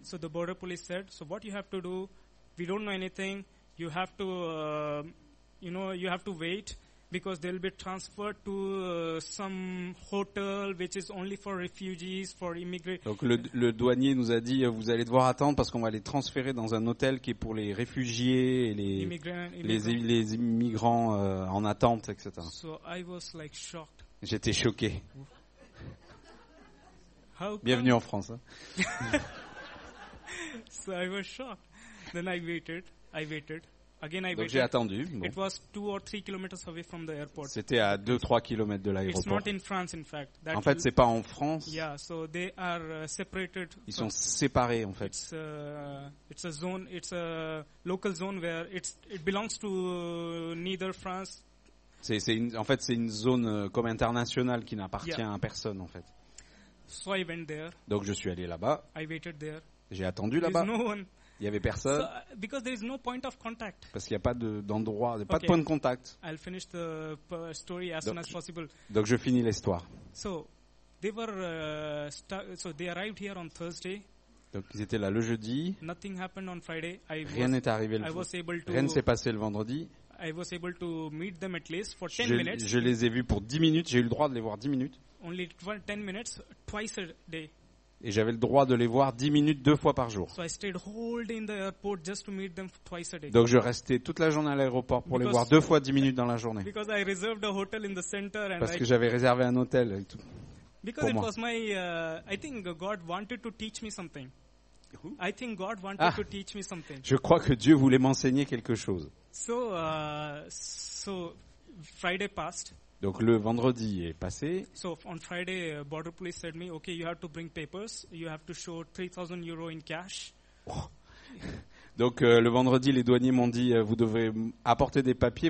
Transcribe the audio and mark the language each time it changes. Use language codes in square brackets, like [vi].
[en] So the border police said, so what you have to do? We don't know anything. You have to, you have to wait because they'll be transferred to some hotel which is only for refugees, for immigrants. [fr] Donc le douanier nous a dit, vous allez devoir attendre parce qu'on va les transférer dans un hôtel qui est pour les réfugiés et les immigrants en attente, etc. [en] So I was like shocked. [fr] J'étais choqué. Bienvenue en France. [en] So I was shocked. Then I waited. Again, I [fr] Donc j'ai attendu. Bon. [en] It was 2 or 3 kilometers away from the airport. [fr] C'était à 2-3 kilomètres de l'aéroport. [en] It's not in France, in fact. [fr] That en fait, c'est pas en France. [en] Yeah, so they are separated. [fr] Ils sont séparés, en fait. [en] It's a zone. It's a local zone where it belongs to neither France. [fr] C'est une zone comme internationale qui n'appartient à personne, en fait. [en] So I went there. [fr] Donc je suis allé là-bas. [en] I waited there. [fr] J'ai attendu là-bas. Il n'y avait personne. [en] So, because there is no point of contact. [fr] Parce qu'il n'y a pas d'endroit, pas okay. de point de contact. [en] I'll finish the story as soon as possible. [fr] Donc je finis l'histoire. [en] So they were so they arrived here on Thursday. [fr] Donc ils étaient là le jeudi. [en] Nothing happened on Friday. [fr] Rien n'est arrivé le vendredi. Rien ne s'est passé le vendredi. [en] I was able to meet them at least for 10 [fr] minutes. Je les ai vus pour 10 minutes. J'ai eu le droit de les voir 10 minutes. [en] Only 10 minutes twice a day. [fr] Et j'avais le droit de les voir 10 minutes deux fois par jour. Donc je restais toute la journée à l'aéroport pour les voir deux fois 10 minutes dans la journée. [en] Because I reserved a hotel in the center and [fr] parce que j'avais réservé un hôtel et tout. [en] Because Was my I think God wanted to teach me something. I think God wanted to teach me something. [fr] Je crois que Dieu voulait m'enseigner quelque chose. [en] So Friday passed. [fr] Donc le vendredi est passé. [en] So on Friday, border police said me, okay, you have to bring papers. You have to show 3,000 euros in cash. Oh. [fr] Donc le vendredi, les douaniers m'ont dit, vous devez apporter des papiers.